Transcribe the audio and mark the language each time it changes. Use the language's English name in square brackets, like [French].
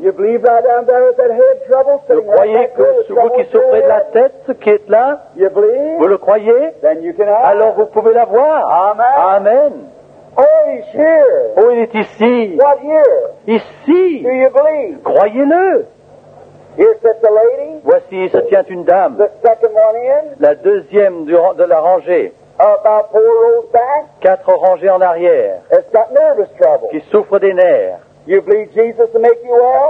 [English] You believe that down there with that head trouble sitting [French] vous croyez [English] right there, [French] que vous qui souffrez de la tête qui est là? [English] You believe? [French] Vous le croyez? [English] Then you can have it. [French] Alors vous pouvez l'avoir. [English] Amen. [French] Amen. [English] Oh, he's here. [French] Oh, il est ici. [English] What here? [French] Ici. [English] Do you believe? [French] Croyez-le. [English] Here sits a lady. [French] Voici, se tient une dame. [English] The second one in. [French] La deuxième de la rangée. [English] About four rows back. [French] Quatre rangées en arrière. [English] It's got nervous trouble. [French] Qui souffre des nerfs. [English] You believe Jesus to make you well?